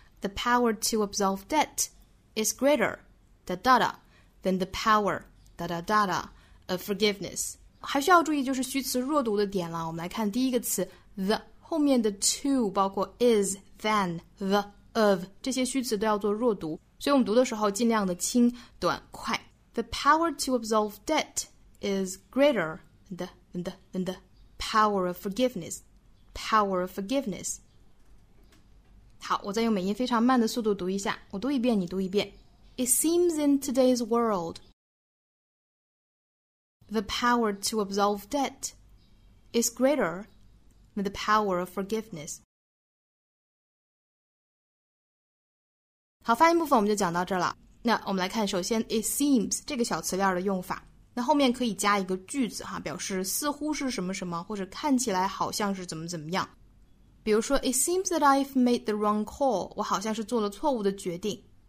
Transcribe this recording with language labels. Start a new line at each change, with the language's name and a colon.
English: The power to absolve debt is greater, da da da, than the power, da da da da, of forgiveness.
Chinese: 还需要注意就是虚词弱读的点了。我们来看第一个词 the 后面的 to 包括 is, than, the, of 这些虚词都要做弱读。所以我们读的时候尽量的轻短快。
English: The power to absolve debt is greater than the power of forgiveness. Power of forgiveness.
Chinese: 好，我再用美音非常慢的速度读一下。我读一遍，你读一遍。
English: It seems in today's world, the power to absolve debt is greater than the power of forgiveness.
Chinese: 好，发音部分我们就讲到这儿了。那我们来看，首先 it seems 这个小词链的用法，那后面可以加一个句子哈，表示似乎是什么什么，或者看起来好像是怎么怎么样。比如说
English: it seems that I've made the wrong call，
Chinese: 我好像是做了错误的决定。